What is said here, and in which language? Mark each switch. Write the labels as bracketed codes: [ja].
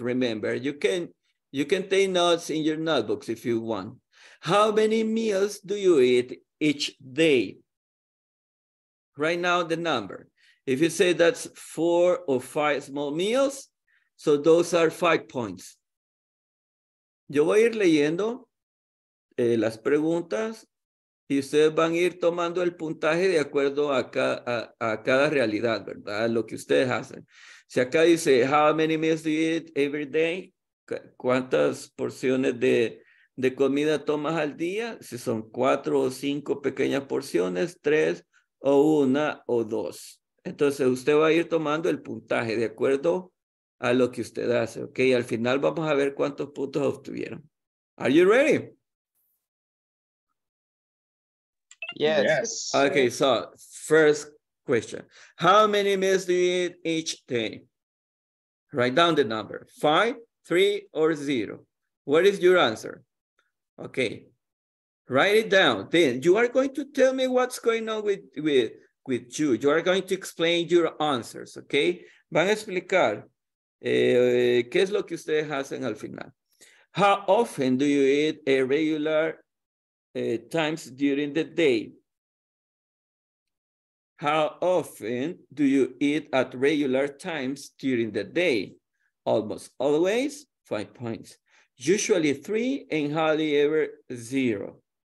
[en] Remember, you can take notes in your notebooks if you want. How many meals do you eat each day? Right now, the number. If you say that's 4 or 5 small meals, so those are 5 points. [es] Yo voy a ir leyendo las preguntas y ustedes van a ir tomando el puntaje de acuerdo a cada realidad, ¿verdad? Lo que ustedes hacen. Si acá dice, [en] how many meals do you eat every day? [es] ¿Cuántas porciones de comida tomas al día? Si son 4 o 5 pequeñas porciones, 3 o 1 o 2. Entonces usted va a ir tomando el puntaje de acuerdo a lo que usted hace. Ok, al final vamos a ver cuántos puntos obtuvieron. [en] Are you ready? Yes. Okay, so first question. How many meals do you eat each day? Write down the number, 5, 3, or 0. What is your answer? Okay, write it down. Then you are going to tell me what's going on with you. You are going to explain your answers, okay? [es] Van a explicar qué es lo que ustedes hacen al final. [en] How often do you eat a regular times during the day? How often do you eat at regular times during the day? Almost always, 5 points. Usually 3 and hardly ever 0.